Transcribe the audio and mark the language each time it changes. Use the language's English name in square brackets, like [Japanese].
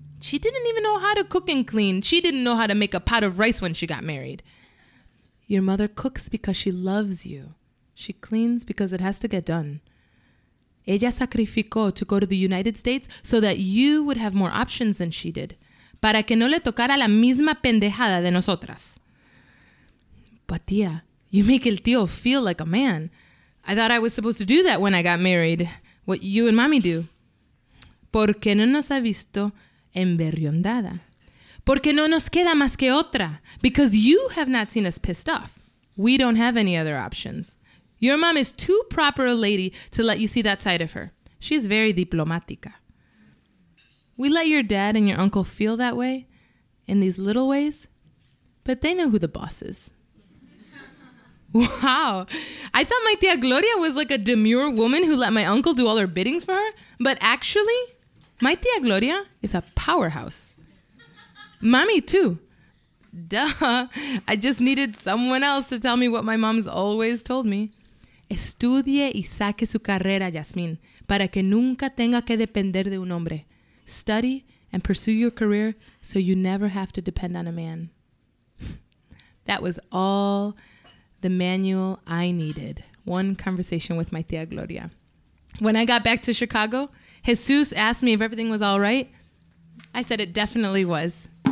[English] She didn't even know how to cook and clean. She didn't know how to make a pot of rice when she got married. Your mother cooks because she loves you. She cleans because it has to get done. [Spanish] Ella sacrificó [English] to go to the United States so that you would have more options than she did. [Spanish] Para que no le tocara la misma pendejada de nosotras. [English] But tía, you make el tío feel like a man. I thought I was supposed to do that when I got married. What you and mommy do. [Spanish] Porque no nos ha visto enverriondada. Porque no nos queda más que otra. [English] Because you have not seen us pissed off. We don't have any other options. Your mom is too proper a lady to let you see that side of her. She's very diplomática. We let your dad and your uncle feel that way in these little ways, but they know who the boss is. Wow. I thought my tía Gloria was like a demure woman who let my uncle do all her biddings for her, but actually, my tía Gloria is a powerhouse. Mommy, too. Duh. I just needed someone else to tell me what my mom's always told me. [Spanish] Estudie y saque su carrera, Yasmin, para que nunca tenga que depender de un hombre. [English] Study and pursue your career so you never have to depend on a man. That was all the manual I needed. One conversation with my tía Gloria. When I got back to Chicago, Jesus asked me if everything was all right. I said it definitely was.